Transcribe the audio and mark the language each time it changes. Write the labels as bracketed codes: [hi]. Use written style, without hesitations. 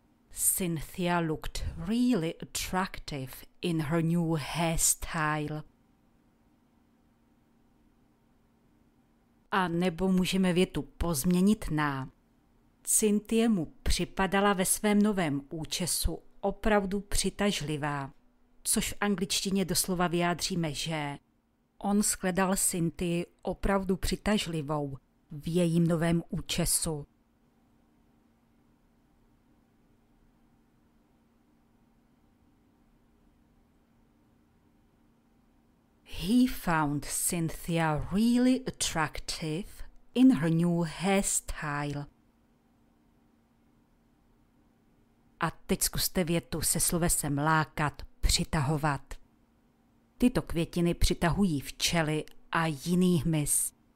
[en] Cynthia looked really attractive in her new hairstyle. [cs] A nebo můžeme větu pozměnit na Cynthia mu připadala ve svém novém účesu opravdu přitažlivá, což v angličtině doslova vyjádříme, že on shledal Cynthia opravdu přitažlivou v jejím novém účesu. [en] He found Cynthia really attractive in her new hairstyle. [cs] A teď zkuste větu se slovesem lákat, přitahovat. Tyto květiny přitahují včely a jiný hmyz.